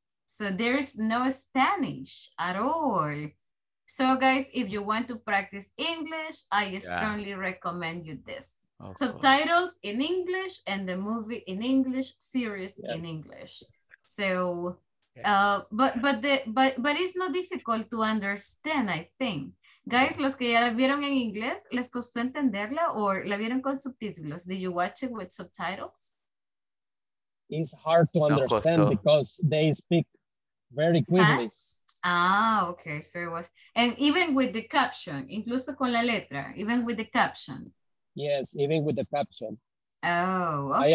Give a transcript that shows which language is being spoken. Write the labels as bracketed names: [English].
[English] So there is no Spanish at all. So guys, if you want to practice English, I yeah. strongly recommend you this. Of subtitles course. In English and the movie in English, series yes. in English. So, okay. But it's not difficult to understand, I think. Guys, yeah. [Spanish] los que ya la vieron en inglés, ¿les costó entenderla o la vieron con subtítulos? [English] Did you watch it with subtitles? It's hard to understand no because they speak very quickly. Fast? Ah, okay, so it was. And even with the caption, [Spanish] incluso con la letra, [English] even with the caption. Yes, even with the caption. Oh, okay.